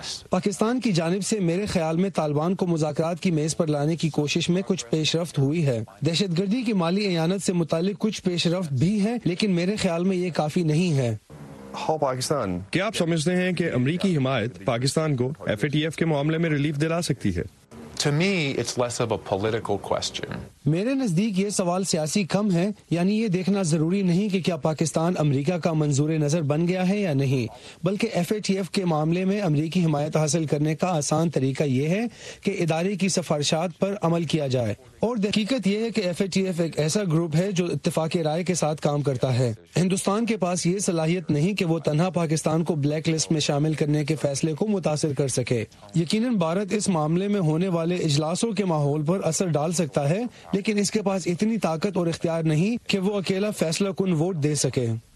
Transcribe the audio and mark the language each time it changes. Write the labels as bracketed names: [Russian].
[Urdu] پاکستان کی جانب سے میرے خیال میں طالبان کو مذاکرات کی میز پر لانے کی کوشش میں کچھ پیش رفت ہوئی ہے۔ دہشت گردی کی مالی اعانت سے متعلق کچھ پیش رفت بھی ہے، لیکن میرے خیال میں یہ کافی نہیں ہے۔ کیا آپ سمجھتے ہیں کہ امریکی حمایت پاکستان کو ایف اے ٹی ایف کے معاملے میں ریلیف دلا سکتی ہے؟ [English] To me, it's less of a political question. [Urdu] میرے نزدیک یہ سوال سیاسی کم ہے، یعنی یہ دیکھنا ضروری نہیں کہ کیا پاکستان امریکہ کا منظور نظر بن گیا ہے یا نہیں، بلکہ ایف اے ٹی ایف کے معاملے میں امریکی حمایت حاصل کرنے کا آسان طریقہ یہ ہے کہ ادارے کی سفارشات پر عمل کیا جائے۔ اور حقیقت یہ ہے کہ ایف اے ٹی ایف ایک ایسا گروپ ہے جو اتفاق رائے کے ساتھ کام کرتا ہے۔ ہندوستان کے پاس یہ صلاحیت نہیں کہ وہ تنہا پاکستان کو بلیک لسٹ میں شامل کرنے کے فیصلے کو متاثر کر سکے۔ یقیناً بھارت اس معاملے میں ہونے والے اجلاسوں کے ماحول پر اثر ڈال سکتا ہے، لیکن اس کے پاس اتنی طاقت اور اختیار نہیں کہ وہ اکیلا فیصلہ کن ووٹ دے سکے۔